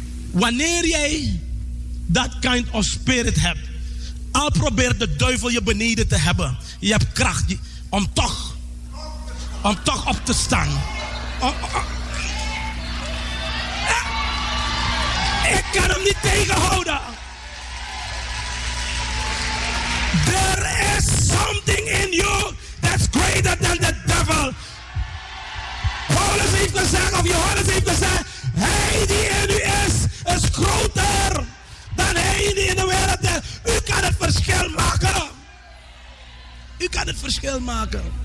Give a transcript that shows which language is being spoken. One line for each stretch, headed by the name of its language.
Dutch: Wanneer jij dat
English: kind of spirit
Dutch: hebt, al probeert de duivel je beneden te hebben, je hebt kracht om toch op te staan. Ik kan hem niet tegenhouden.
English: There is something in you that's greater than the devil.
Dutch: Paulus heeft gezegd, of Johannes heeft gezegd, hij die in u is, is groter dan hij die in de wereld is. U kan het verschil maken. U kan het verschil maken.